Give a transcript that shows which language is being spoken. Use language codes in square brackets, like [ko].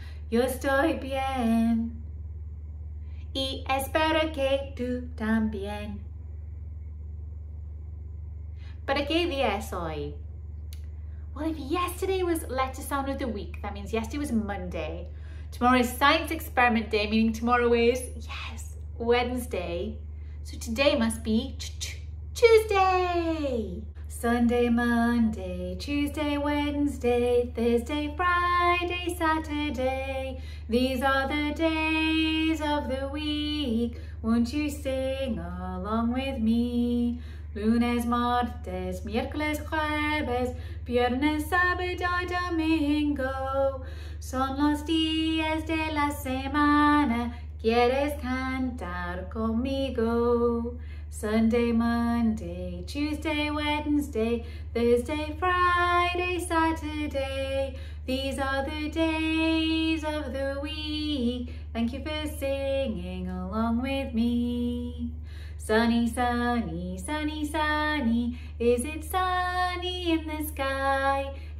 [es] Yo estoy bien, y espero que tú también. ¿Para qué día es hoy? [en] Well, if yesterday was letter sound of the week, that means yesterday was Monday. Tomorrow is science experiment day, meaning tomorrow is, yes, Wednesday. So today must be Tuesday. Sunday, Monday, Tuesday, Wednesday, Thursday, Friday, Saturday. These are the days of the week. Won't you sing along with me? [es] Lunes, martes, miércoles, jueves, viernes, sábado, domingo. Son los días de la semana. ¿Quieres cantar conmigo? [en] Sunday, Monday, Tuesday, Wednesday, Thursday, Friday, Saturday. These are the days of the week. Thank you for singing along with me. Sunny, sunny, sunny, sunny. Is it sunny in the sky?